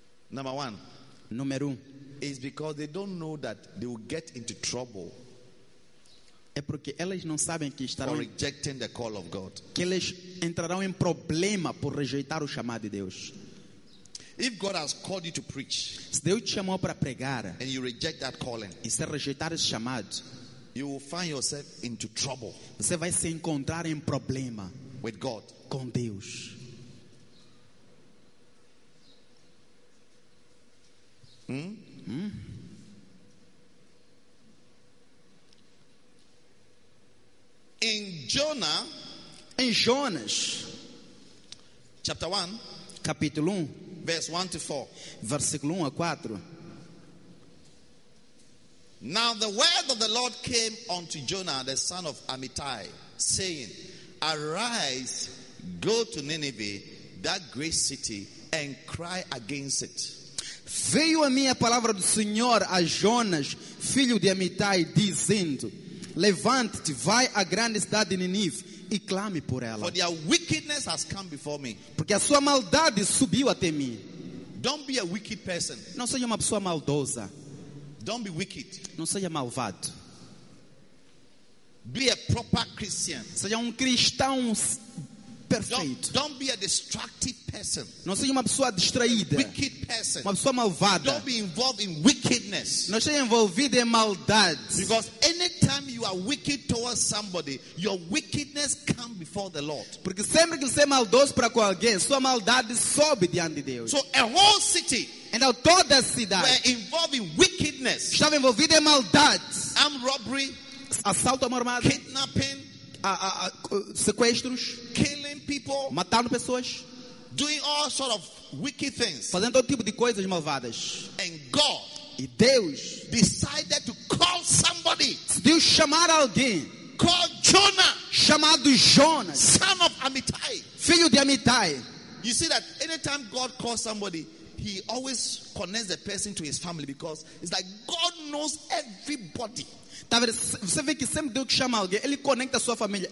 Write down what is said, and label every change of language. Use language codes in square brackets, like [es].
[en] Number one. [pt] Número um. [en] Is because they don't know that they will get into trouble. [pt] É porque elas não sabem que estarão [en] rejecting the call of God. [pt] Que elas entrarão em problema por rejeitar o chamado de Deus. [en] If God has called you to preach, [pt] se Deus te chamou para pregar, [en] and you reject that calling, [pt] e se rejeitar esse chamado, [en] you will find yourself into trouble. [pt] Você vai se encontrar em problema [en] with God, [pt] com Deus. [en] In Jonah, [pt] em Jonas, [en] chapter 1, [pt] capítulo 1. [en] Verse 1 to 4. [pt] Versículo 1 a 4. [en] Now the word of the Lord came unto Jonah, the son of Amittai, saying, arise, go to Nineveh, that great city, and cry against it. [pt] Veio a minha palavra do Senhor a Jonas, filho de Amittai, dizendo, levante-te, vai à grande cidade de Nínive. E clame por ela. [en] For their wickedness has come before me. [pt] Porque a sua maldade subiu até mim. [en] Don't be a wicked person. [pt] Não seja uma pessoa maldosa. [en] Don't be wicked. [pt] Não seja malvado. [en] Be a proper Christian. [pt] Seja cristão perfeito. [en] Don't be a destructive person. [pt] Não seja uma pessoa distraída. [en] A wicked person. [pt] Uma pessoa malvada. [en] Don't be involved in wickedness. [pt] Não seja envolvido em maldade. [en] Because anytime you are wicked towards somebody, your wickedness comes before the Lord. [pt] Porque sempre que você é maldoso para com alguém, sua maldade sobe diante de Deus. [en] So a whole city [pt] and a toda cidade [en] were involved in wickedness. [pt] Estava envolvido em maldade. [en] Armed robbery, [pt] assalto à mão armada, [en] kidnapping, [pt] sequestros, [en] killing people, [pt] matando pessoas, [en] doing all sort of wicked things, [pt] fazendo todo tipo de coisas malvadas. [en] And God, [pt] e Deus, [en] decided to call somebody, [pt] decidiu chamar alguém, [en] called Jonah, [pt] chamado Jonas, [en] son of Amittai, [pt] filho de Amittai. [en] You see that anytime God calls somebody, He always connects the person to His family, because it's like God knows everybody. [pt] Você vê que sempre Deus chama alguém, Ele conecta a sua família.